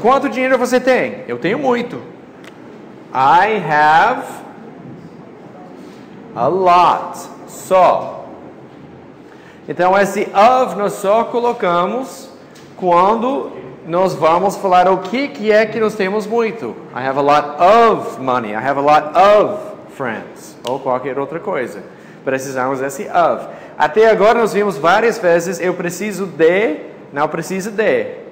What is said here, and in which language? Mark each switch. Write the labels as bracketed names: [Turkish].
[Portuguese] Quanto dinheiro você tem? Eu tenho muito. [English] I have... [Portuguese] A lot, só. Então, esse of nós só colocamos quando nós vamos falar o que é que nós temos muito. [English] I have a lot of money, I have a lot of friends, [Portuguese] ou qualquer outra coisa. Precisamos desse of. Até agora nós vimos várias vezes, eu preciso de, não preciso de.